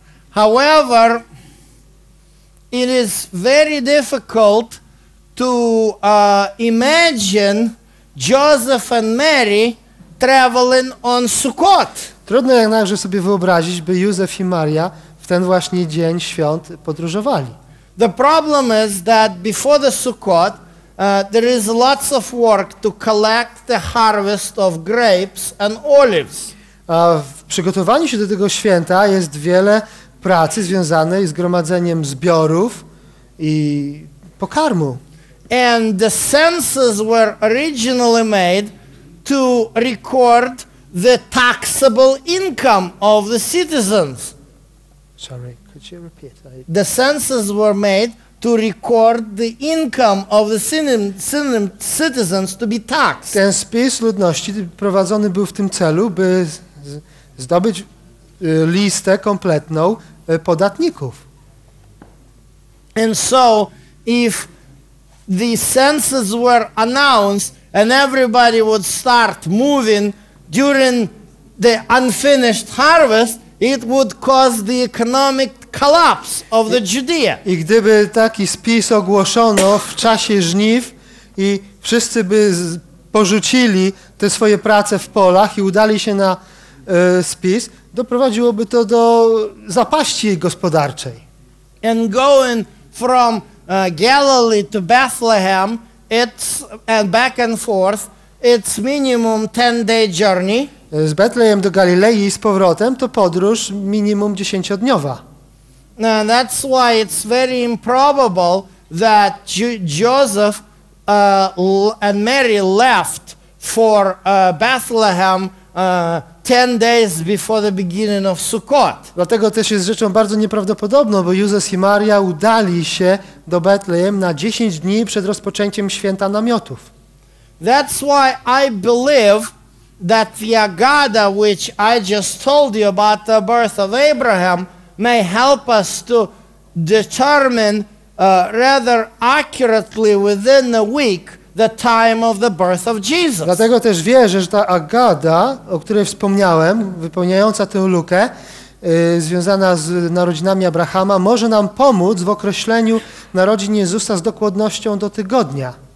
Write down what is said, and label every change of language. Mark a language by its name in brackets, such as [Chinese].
[English] However, it is very difficult to imagine Joseph and Mary traveling on Sukkot. [Polish] Trudno jednakże sobie wyobrazić, by Józef i Maria w ten właśnie dzień świąt podróżowali. [English] The problem is that before the Sukkot, there is lots of work to collect the harvest of grapes and olives. [Polish] A w przygotowaniu się do tego święta jest wiele pracy związanej z gromadzeniem zbiorów i pokarmu. [English] And the census were originally made to record the taxable income of the citizens. Sorry, could you repeat? The census were made to record the income of the citizens to be taxed. [Polish] Ten spis ludności prowadzony był w tym celu, by zdobyć listę kompletną podatników. [English] And so, if the census were announced and everybody would start moving during the unfinished harvest, it would cause the economic collapse of the Judea. [Polish] I gdyby taki spis ogłoszono w czasie żniw i wszyscy by porzucili te swoje prace w polach i udali się na spis, doprowadziłoby to do zapaści gospodarczej. [English] And going from Galilee to Bethlehem, it's and back and forth, it's minimum 10-day journey. [Polish] Z Betlejem do Galilei z powrotem to podróż minimum 10-dniowa. [English] And that's why it's very improbable that Joseph and Mary left for Bethlehem 10 days before the beginning of Sukkot. [Polish] Dlatego też jest rzeczą bardzo nieprawdopodobną, bo Józef i Maria udali się do Betlejem na 10 dni przed rozpoczęciem święta namiotów. [English] That's why I believe that the Agada, which I just told you about the birth of Abraham, may help us to determine rather accurately within a week the time of the birth of Jesus. [Polish] Dlatego też wierzę, że ta Agada, o której wspomniałem, wypełniająca tę lukę, związana z narodzinami Abrahama, może nam pomóc w określeniu narodzin Jezusa z dokładnością do tygodnia.